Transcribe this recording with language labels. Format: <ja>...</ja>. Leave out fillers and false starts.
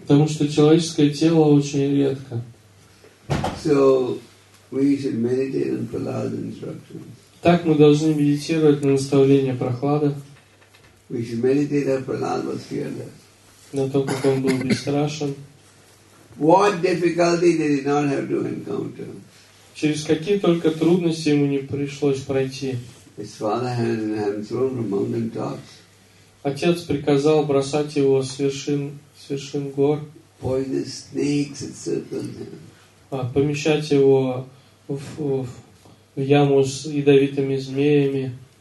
<ru>Потому что человеческое тело очень редко.</ru> <en>So we should meditate on Prahlada's instructions.</en> <ru>Так мы должны медитировать на наставление Прохлады.</ru> <en>We should meditate on Prahlada's fearless.</en> <ru>На то, как он был бесстрашен.</ru> <en>What difficulty did he not have to encounter?</en> <ru>Через какие только трудности ему не пришлось пройти.</ru> <en>His father had him thrown from mountain tops.</en> <ru>Отец приказал бросать его с вершин гор.</ru> <en>Poisonous snakes had circled him.</en> <ru>Помещать его в яму с ядовитыми змеями.</ru>